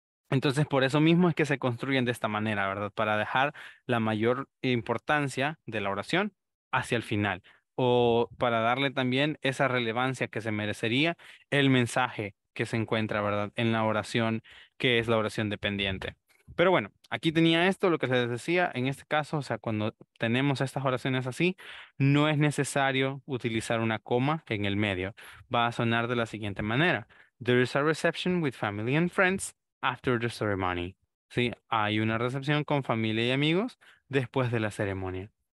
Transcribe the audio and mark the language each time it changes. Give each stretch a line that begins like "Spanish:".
Spanish: Entonces por eso mismo es que se construyen de esta manera, ¿verdad? Para dejar la mayor importancia de la oración hacia el final o para darle también esa relevancia que se merecería el mensaje que se encuentra, ¿verdad?, en la oración, que es la oración dependiente. Pero bueno, aquí tenía esto, lo que les decía, en este caso, o sea, cuando tenemos estas oraciones así, no es necesario utilizar una coma en el medio. Va a sonar de la siguiente manera.
English: There is a reception with family and friends after the ceremony.
Spanish: Sí, hay una recepción con familia y amigos después de la ceremonia.